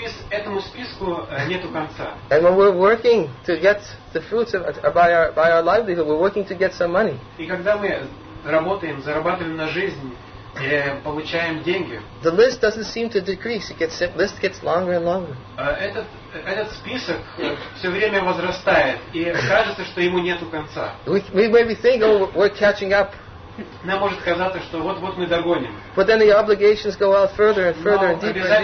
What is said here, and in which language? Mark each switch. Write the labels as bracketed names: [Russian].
[Russian] Этому списку нету конца. [English] And when we're working to get the fruits of by our livelihood, we're working to get some money. [Russian] И когда мы работаем, зарабатываем на жизнь и получаем деньги. [English] The list doesn't seem to decrease. List gets longer and longer. [Russian] Этот список все время возрастает, и кажется, что ему нету конца. [English] We maybe think, oh, we're catching up. [Russian] Нам может казаться, что вот мы догоним. [English] But then the obligations go out further and further and deeper.